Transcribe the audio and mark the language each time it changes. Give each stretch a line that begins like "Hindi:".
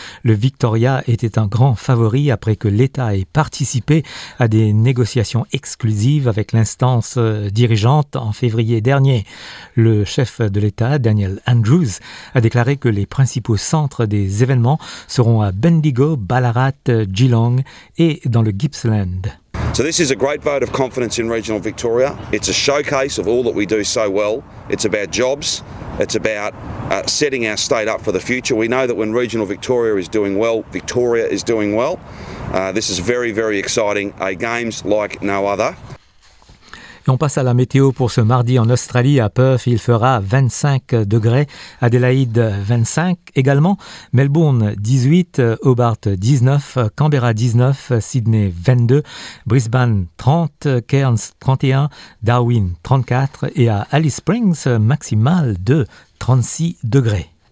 French: Le Victoria était un grand favori après que l'État ait participé à des négociations exclusives avec l'instance dirigeante en février dernier. Le chef de l'État, Daniel Andrews, a déclaré que les principaux centres des événements seront à Bendigo, Ballarat, Geelong et dans le Gippsland.
English: So this is a great vote of confidence in regional Victoria. It's a showcase of all that we do so well. It's about jobs. It's about setting our state up for the future. We know that when regional Victoria is doing well, Victoria is doing well. This is very, very exciting. A games like no other.
French: Et on passe à la météo pour ce mardi en Australie, à Perth, il fera 25 degrés, Adélaïde 25 également, Melbourne 18, Hobart 19, Canberra 19, Sydney 22, Brisbane 30, Cairns 31, Darwin 34 et à Alice Springs maximal de 36 degrés.